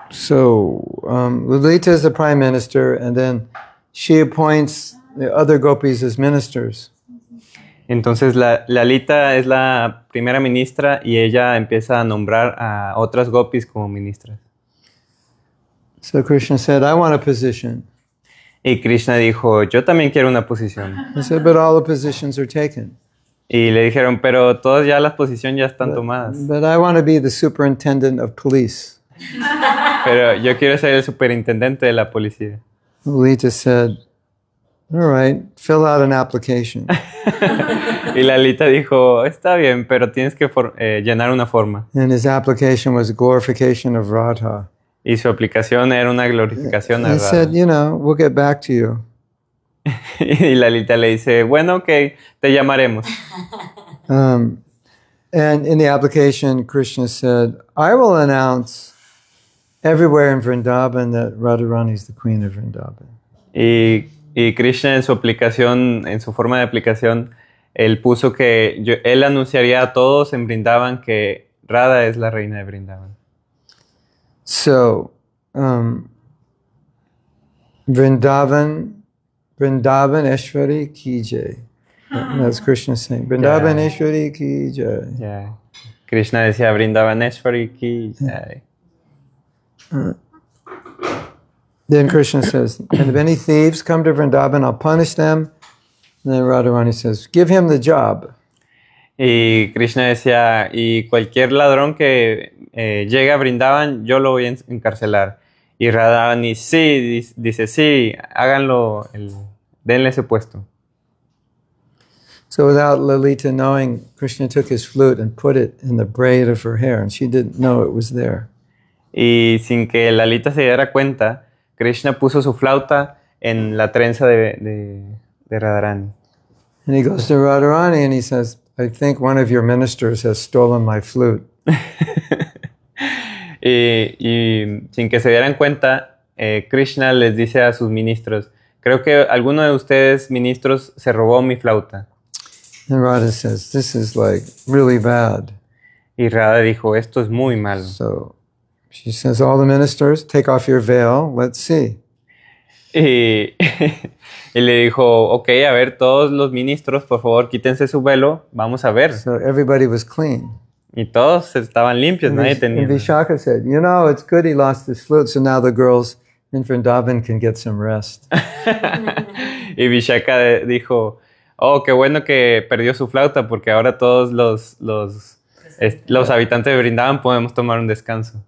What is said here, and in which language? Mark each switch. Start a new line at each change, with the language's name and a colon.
English: So Lalita is the prime minister, and then she appoints the other gopis as ministers.
Spanish: Entonces Lalita es la primera ministra y ella empieza a nombrar a otras gopis como ministras.
English: So Krishna said, I want a position.
Spanish: Y Krishna dijo, yo también quiero una posición.
English: He said, but all the positions are taken.
Spanish: Y le dijeron, pero todas ya las posiciones ya están tomadas.
English: But I want to be the superintendent of police.
Spanish: Pero yo quiero ser el superintendente de la policía.
English: Lalita said, all right, fill out an application.
Spanish: Y Lalita dijo, está bien, pero tienes que llenar una forma.
English: And his application was a glorification of Radha.
Spanish: Y su aplicación era una glorificación a Radha.
English: He said, you know, we'll get back to you.
Spanish: Y Lalita le dice, bueno, okay, te llamaremos.
English: And in the application, Krishna said, I will announce everywhere in Vrindavan that Radharani is the queen of Vrindavan.
Spanish: Y Krishna en su aplicación, en su forma de aplicación, él puso que él anunciaría a todos en Vrindavan que Radha es la reina de Vrindavan.
English: So,
Hindi: Vrindavan, Vrindavan Eshwari Ki Jai.
English: That's Krishna saying.
Hindi: Vrindavan Eshwari Ki Jai.
English: Yeah.
Spanish: Krishna decía
Hindi: Vrindavan Eshwari Ki Jai.
English: Then Krishna says, and if any thieves come to Vrindavan, I'll punish them. And then Radharani says, give him the job.
Spanish: Y Krishna decía, y cualquier ladrón que llegue a Vrindavan, yo lo voy a encarcelar. Y Radharani sí, dice, sí, háganlo, denle ese puesto.
English: So without Lalita knowing, Krishna took his flute and put it in the braid of her hair, and she didn't know it was there.
Spanish: Y sin que Lalita se diera cuenta, Krishna puso su flauta en la trenza de Radharani.
English: And he goes to Radharani and he says, I think one of your ministers has stolen my flute.
Spanish: y sin que se dieran cuenta, Krishna les dice a sus ministros, creo que alguno de ustedes ministros se robó mi flauta.
English: And Radha says, this is like really bad.
Spanish: Y Radha dijo, esto es muy malo.
English: So, she says, all the ministers, take off your veil, let's see.
Spanish: Y le dijo, ok, a ver, todos los ministros, por favor, quítense su velo, vamos a ver.
English: So everybody was clean.
Spanish: Y todos estaban limpios,
English: and
Spanish: nadie tenía.
English: And Vishaka said, you know, it's good he lost his flute, so now the girls in Vrindavan can get some rest.
Spanish: Y Vishaka dijo, oh, qué bueno que perdió su flauta, porque ahora todos los habitantes de Vrindavan podemos tomar un descanso.